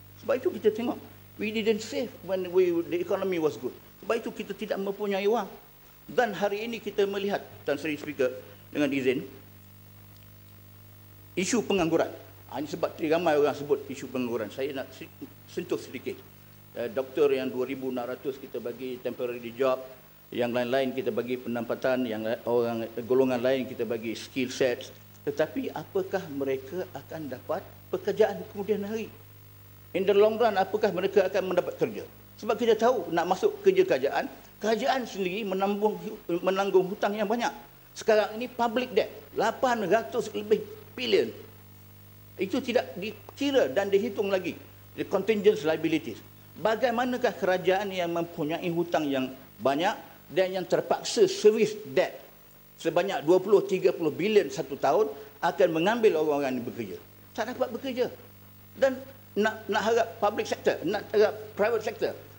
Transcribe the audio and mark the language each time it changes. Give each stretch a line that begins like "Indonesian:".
Malay: Sebab itu kita tengok,
English: we didn't save when the economy was good.
Malay: Sebab itu kita tidak mempunyai wang. Dan hari ini kita melihat, Tan Sri Speaker, dengan izin, isu pengangguran. Ini sebab ramai orang sebut isu pengangguran. Saya nak sentuh sedikit. Doktor yang 2,600 kita bagi temporary job, yang lain-lain kita bagi pendapatan, yang orang golongan lain kita bagi skill sets. Tetapi apakah mereka akan dapat pekerjaan kemudian hari?
English: In the long run,
Malay: apakah mereka akan mendapat kerja? Sebab kita tahu nak masuk kerja kerajaan, kerajaan sendiri menanggung hutang yang banyak. Sekarang ini public debt, 800 lebih bilion. Itu tidak dikira dan dihitung lagi.
English: The contingent liabilities.
Malay: Bagaimanakah kerajaan yang mempunyai hutang yang banyak dan yang terpaksa service debt sebanyak 20-30 bilion satu tahun akan mengambil orang-orang yang bekerja? Tak dapat bekerja. Dan nak harap public sector, nak harap private sector.